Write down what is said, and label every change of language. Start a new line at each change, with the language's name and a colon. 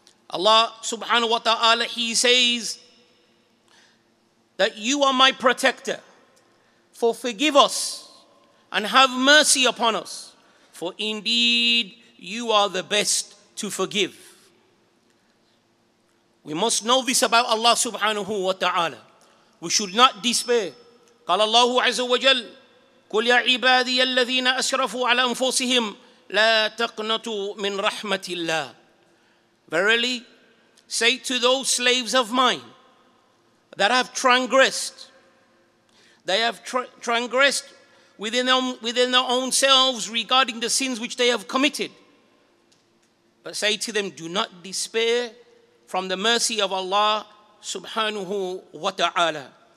English: Allah subhanahu wa ta'ala, He says, that you are my protector, for forgive us and have mercy upon us, for indeed you are the best to forgive. We must know this about Allah subhanahu wa ta'ala. We should not despair.
Arabic: قال الله عز وجل قل يا عبادي الذين أسرفوا على أنفسهم لا تقنطوا من رحمة الله.
English: Verily, say to those slaves of mine that have transgressed They have transgressed within their own selves regarding the sins which they have committed. But say to them, do not despair from the mercy of Allah subhanahu wa ta'ala.